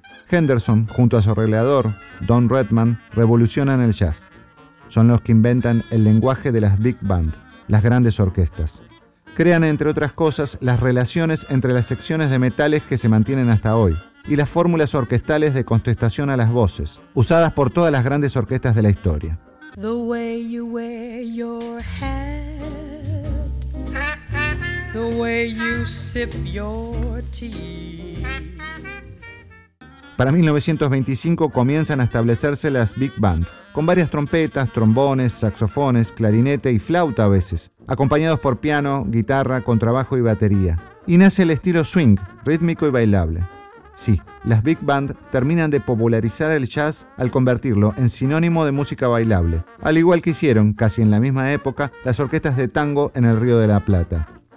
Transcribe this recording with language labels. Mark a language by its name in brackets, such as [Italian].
[Spanish] Henderson, junto a su arreglador, Don Redman, revolucionan el jazz. Son los que inventan el lenguaje de las big band, las grandes orquestas. Crean, entre otras cosas, las relaciones entre las secciones de metales que se mantienen hasta hoy y las fórmulas orquestales de contestación a las voces, usadas por todas las grandes orquestas de la historia. [English] The way you wear your hat, the way you sip your tea. [Spanish] Para 1925 comienzan a establecerse las big band, con varias trompetas, trombones, saxofones, clarinete y flauta a veces, acompañados por piano, guitarra, contrabajo y batería. Y nace el estilo swing, rítmico y bailable. Sí, las big band terminan de popularizar el jazz al convertirlo en sinónimo de música bailable, al igual que hicieron, casi en la misma época, las orquestas de tango en el Río de la Plata.